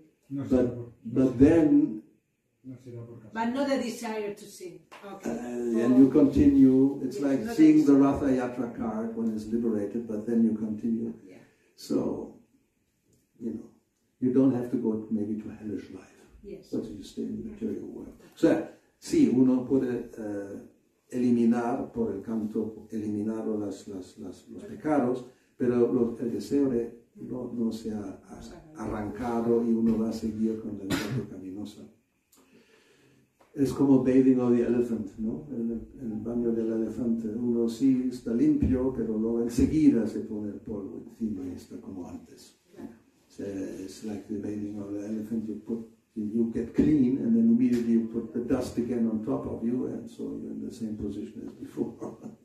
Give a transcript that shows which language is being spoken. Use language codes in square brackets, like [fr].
[en] but not the desire to sing. Okay. And you continue. It's yes, like seeing the Ratha Yatra card when it's liberated, but then you continue. Yeah. So, you know, you don't have to go maybe to hellish life. Yes. But you stay in the material world. [es] So, sí, uno puede eliminar por el canto, eliminar los pecados, pero el deseo de no se ha arrancado y uno va a seguir con la vida pecaminosa. Es como [en] bathing of the elephant, [es] ¿no? El baño del elefante. Uno sí está limpio, pero luego enseguida se pone el polvo encima y está como antes. [en] It's like the bathing of the elephant. You get clean and then immediately you put the dust again on top of you and so you're in the same position as before.